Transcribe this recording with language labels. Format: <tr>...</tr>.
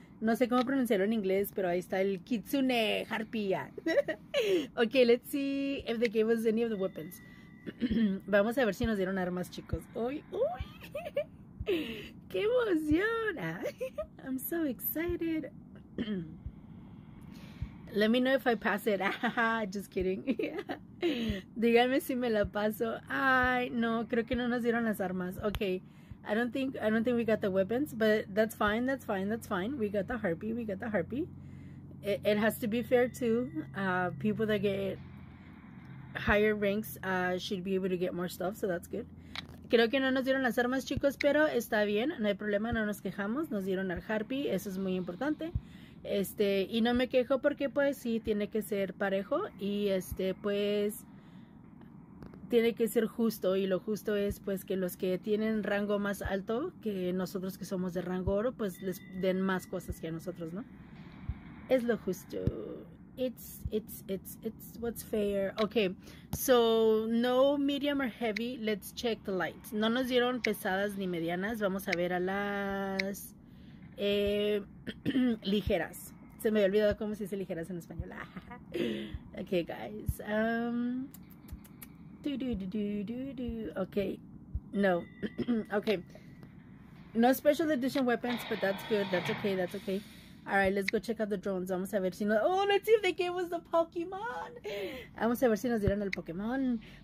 <es>No sé cómo pronunciarlo en inglés, pero ahí está el Kitsune Harpy.</es> <en>Okay, let's see if they gave us any of the weapons.</en> <es>Vamos a ver si nos dieron armas, chicos. Uy, uy. ¡Qué emoción!</es> <en>I'm so excited. Let me know if I pass it. Just kidding.</en> <es>Díganme si me la paso. Ay, no, creo que no nos dieron las armas.</es> <en>Okay. I don't think we got the weapons, but that's fine. That's fine. That's fine. We got the harpy. We got the harpy. It has to be fair too. People that get higher ranks should be able to get more stuff, so that's good.</en> <es>Creo que no nos dieron las armas, chicos, pero está bien. No hay problema, no nos quejamos. Nos dieron al harpy, eso es muy importante. Y no me quejo porque pues sí, tiene que ser parejo y pues tiene que ser justo, y lo justo es pues que los que tienen rango más alto que nosotros que somos de rango oro, pues les den más cosas que a nosotros, ¿no? Es lo justo.</es> <en>It's what's fair. Okay, so no medium or heavy. Let's check the lights.</en> <es>No nos dieron pesadas ni medianas. Vamos a ver a las ligeras. Se me había olvidado cómo se dice ligeras en español.</es> <en>Okay, guys. Okay. No. Okay. No special edition weapons, but that's good. That's okay. That's okay. All right, let's go check out the drones.</en> <es>Vamos a ver si nos...</es> <en>Oh, let's see if they gave us the Pokemon.</en> <es>Vamos a ver si nos dieron el Pokemon.</es>